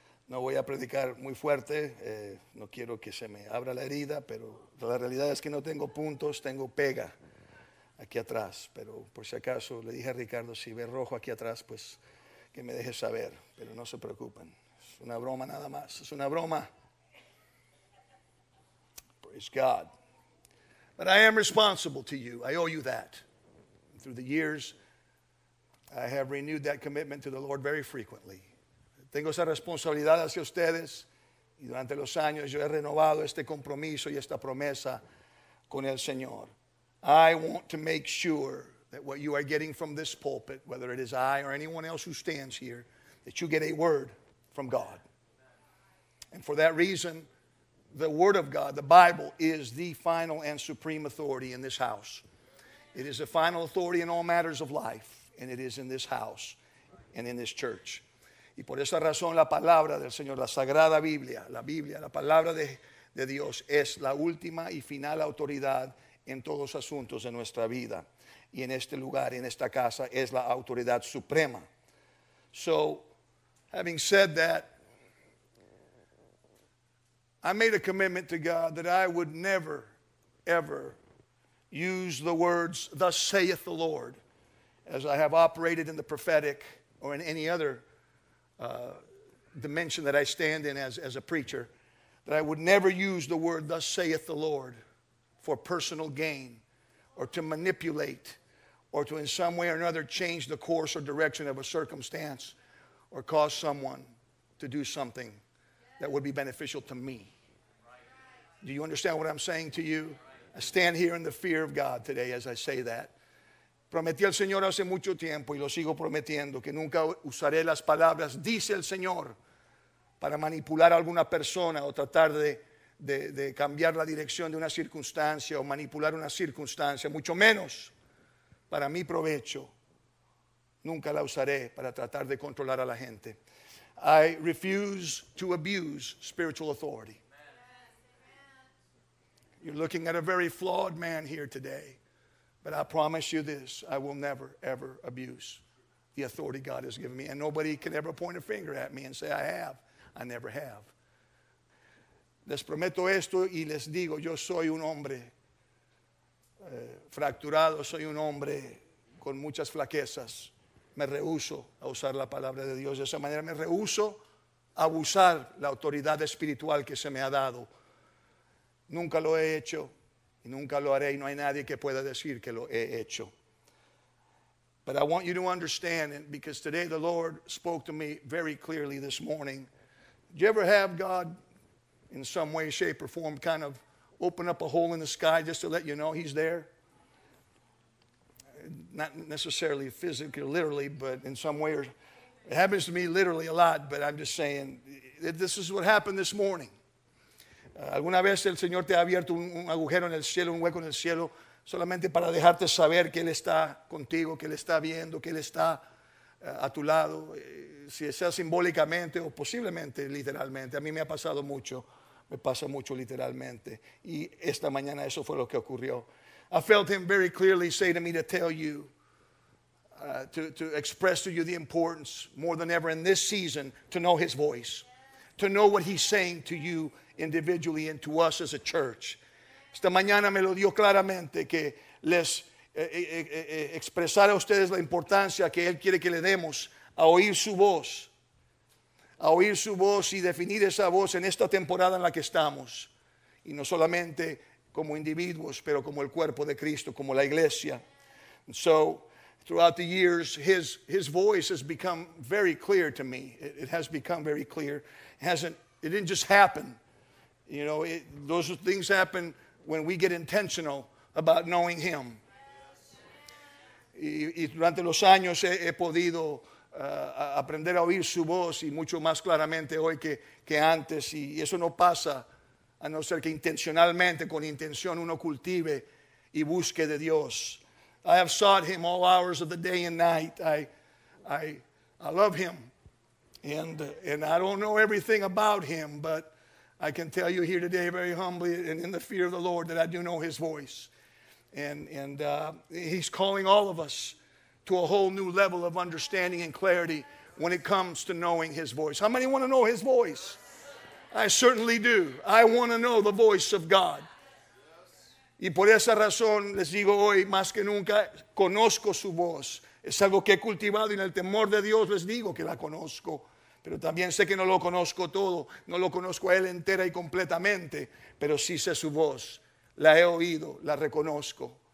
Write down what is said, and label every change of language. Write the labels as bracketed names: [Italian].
[Spanish] No voy a predicar muy fuerte, no quiero que se me abra la herida, pero la realidad es que no tengo puntos, tengo pega aquí atrás. Pero por si acaso, le dije a Ricardo, si ve rojo aquí atrás, pues que me deje saber, pero no se preocupen. Es una broma nada más, es una broma. [English] Praise God. But I am responsible to you, I owe you that. And through the years, I have renewed that commitment to the Lord very frequently. [Spanish] Tengo esa responsabilidad hacia ustedes y durante los años yo he renovado este compromiso y esta promesa con el Señor. [English] I want to make sure that what you are getting from this pulpit, whether it is I or anyone else who stands here, that you get a word from God. And for that reason, the Word of God, the Bible, is the final and supreme authority in this house. It is the final authority in all matters of life, and it is in this house and in this church. [Spanish] Y por esa razón la palabra del Señor, la Sagrada Biblia, la Biblia, la palabra de Dios es la última y final autoridad en todos asuntos de nuestra vida. Y en este lugar, en esta casa, es la autoridad suprema. [English] So, having said that, I made a commitment to God that I would never, ever use the words, thus saith the Lord, as I have operated in the prophetic or in any other dimension that I stand in as a preacher, that I would never use the word thus saith the Lord for personal gain or to manipulate or to in some way or another change the course or direction of a circumstance or cause someone to do something that would be beneficial to me. Do you understand what I'm saying to you? I stand here in the fear of God today as I say that. [Spanish] Prometí al Señor hace mucho tiempo y lo sigo prometiendo que nunca usaré las palabras, dice el Señor, para manipular a alguna persona o tratar de cambiar la dirección de una circunstancia o manipular una circunstancia, mucho menos para mi provecho. Nunca la usaré para tratar de controlar a la gente. [English] I refuse to abuse spiritual authority. You're looking at a very flawed man here today, but I promise you this, I will never, ever abuse the authority God has given me. And nobody can ever point a finger at me and say, I have. I never have. [Spanish] Les prometo esto y les digo, yo soy un hombre fracturado, soy un hombre con muchas flaquezas. Me rehúso a usar la palabra de Dios de esa manera. Me rehúso a abusar la autoridad espiritual que se me ha dado. Nunca lo he hecho y nunca lo haré, y no hay nadie que pueda decir que lo he hecho. [English] But I want you to understand, because today the Lord spoke to me very clearly this morning. Did you ever have God in some way, shape, or form kind of open up a hole in the sky just to let you know he's there? Not necessarily physically, literally, but in some way. It happens to me literally a lot, but I'm just saying this is what happened this morning. [Spanish] ¿Alguna vez el Señor te ha abierto un agujero en el cielo, un hueco en el cielo, solamente para dejarte saber que Él está contigo, que Él está viendo, que Él está a tu lado, si sea simbólicamente o posiblemente literalmente? A mí me ha pasado mucho, me pasa mucho literalmente, y esta mañana eso fue lo que ocurrió. [English] I felt Him very clearly say to me to tell you, to express to you the importance more than ever in this season to know His voice, to know what He's saying to you individually and to us as a church. [Spanish] Esta mañana me lo dio claramente que les expresara a ustedes la importancia que Él quiere que le demos a oír su voz, a oír su voz y definir esa voz en esta temporada en la que estamos, y no solamente como individuos, pero como el cuerpo de Cristo, como la iglesia. [English] And so throughout the years, his voice has become very clear to me. It has become very clear. It didn't just happen. You know, those things happen when we get intentional about knowing Him. [Spanish] Y durante los años he podido aprender a oír su voz, y mucho más claramente hoy que antes. Y eso no pasa a no ser que intencionalmente, con intención, uno cultive y busque de Dios. [English] I have sought Him all hours of the day and night. I love Him. And I don't know everything about Him, but I can tell you here today very humbly and in the fear of the Lord that I do know His voice. And He's calling all of us to a whole new level of understanding and clarity when it comes to knowing His voice. How many want to know His voice? I certainly do. I want to know the voice of God. [Spanish] Y por esa razón les digo hoy, más que nunca, conozco su voz. Es algo que he cultivado, y en el temor de Dios les digo que la conozco. Pero también sé que no lo conozco todo, no lo conozco a Él entera y completamente, pero sí sé su voz, la he oído, la reconozco.